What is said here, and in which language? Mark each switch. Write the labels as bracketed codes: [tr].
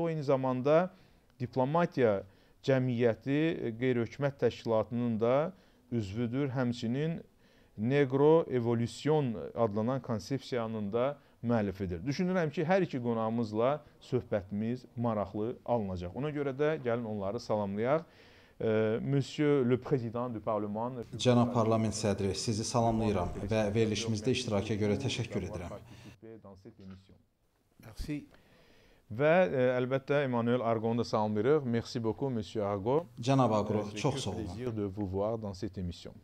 [az] O, eyni zamanda diplomatiya cəmiyyəti qeyri-hökumət təşkilatının da üzvüdür. Həmçinin Negro Evolution adlanan konsepsiyanın da müəllifidir. Düşünürəm ki, hər iki qonağımızla söhbətimiz maraqlı alınacaq. Ona görə də gəlin onları salamlayaq. [fr] Monsieur le Président du Parlement, [az] cənab parlament sədri, sizi salamlayıram və verilişimizdə iştiraka görə təşəkkür edirəm. [fr] Merci. [az] Və əlbəttə Emmanuel Argon da salamlayırıq. [fr] Merci beaucoup Monsieur Argo. [az] Cənab Argo, çox sağ olun. [fr] Plaisir de vous voir dans cette émission.